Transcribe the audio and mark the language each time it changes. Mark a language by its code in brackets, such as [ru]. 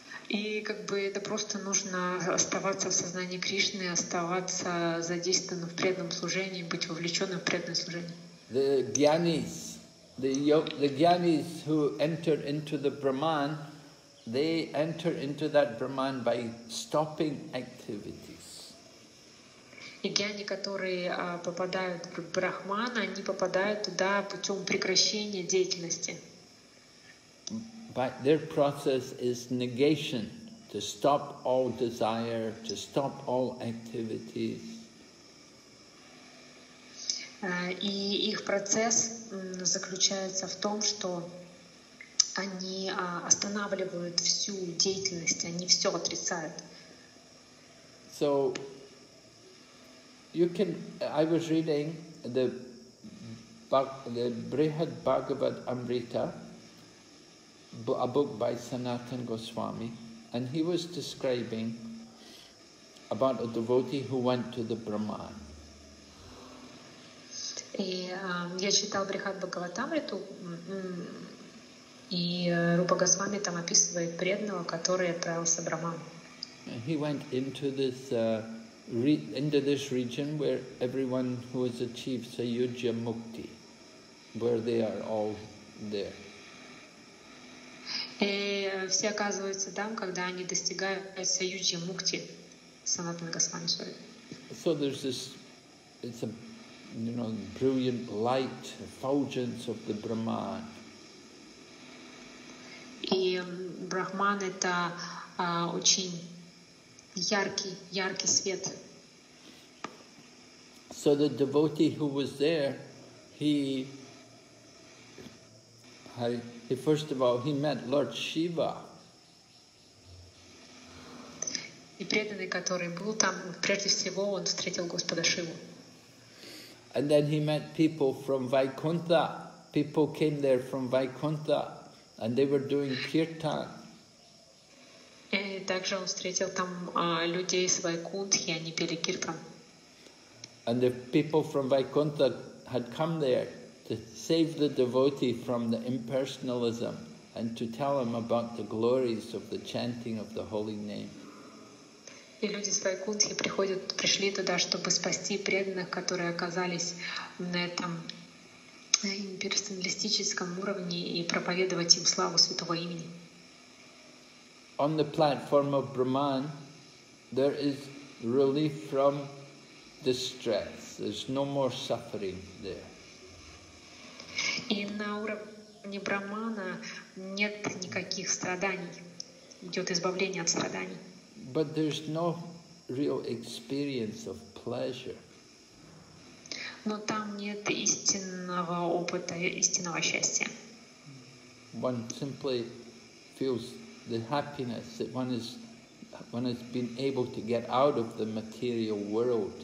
[ru] И как бы это просто нужно оставаться в сознании Кришны, оставаться задействованным в преданном служении, быть вовлеченным в преданное служение. [en] The gyanis who enter into the Brahman, they enter into that Brahman by stopping activities. [ru] И гьяни, которые попадают в Брахмана, они попадают туда путем прекращения деятельности. [en] But their process is negation, to stop all desire, to stop all activities. [ru] И их процесс заключается в том, что они останавливают всю деятельность, они все отрицают. [en] So, I was reading the Brihad Bhagavad Amrita, a book by Sanatan Goswami, and he was describing about a devotee who went to the Brahman. [ru] И я читал Брихад Бхагаватамриту, и Рупа Госвами там описывает преданного, который отправился в Брахман. [en] He went into this region where everyone who has achieved Sayujya Mukti, where they are all there. [ru] И все оказываются там, когда они достигают Саюджи Мукти, Санатана Госвами. [en] So there's this, it's a, you know, brilliant light, effulgence of the Brahman. [ru] И Брахман — это очень яркий, яркий свет. [en] So the devotee who was there, he first of all, he met Lord Shiva. [ru] И преданный, который был там, прежде всего, он встретил Господа Шиву. [en] And then he met people from Vaikuntha. People came there from Vaikuntha, and they were doing kirtan. [ru] И также он встретил там людей из Вайкунтхи, они пели киртан. [en] And the people from Vaikuntha had come there to save the devotee from the impersonalism and to tell him about the glories of the chanting of the holy name. [ru] И люди с Вайкунтхи пришли туда, чтобы спасти преданных, которые оказались на этом имперсоналистическом уровне, и проповедовать им славу святого имени. [en] On the platform of Brahman, there is relief from distress. There's no more suffering there. [ru] И на уровне Брахмана нет никаких страданий, идет избавление от страданий. [en] But there's no real experience of pleasure. [ru] Но там нет истинного опыта, истинного счастья. [en] One simply feels the happiness that one has been able to get out of the material world.